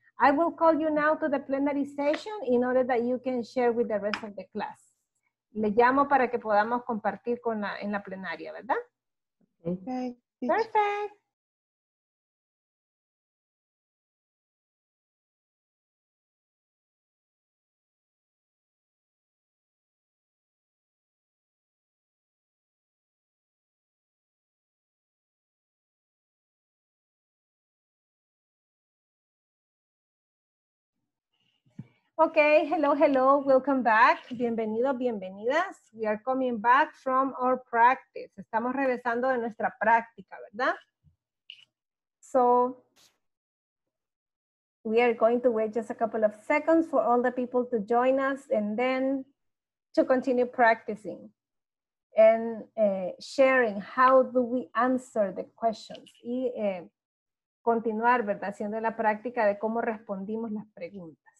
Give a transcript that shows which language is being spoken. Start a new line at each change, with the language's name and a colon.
English: I will call you now to the plenary session in order that you can share with the rest of the class.
Spanish: Le llamo para que podamos compartir con la, en la plenaria, ¿verdad?
English: Okay. Perfect. Okay, hello, hello, welcome back.
Spanish: Bienvenido, bienvenidas.
English: We are coming back from our practice.
Spanish: Estamos regresando de nuestra práctica, ¿verdad?
English: So, we are going to wait just a couple of seconds for all the people to join us and then to continue practicing and sharing how do we answer the questions.
Spanish: Y continuar, ¿verdad? Haciendo la práctica de cómo respondimos las preguntas.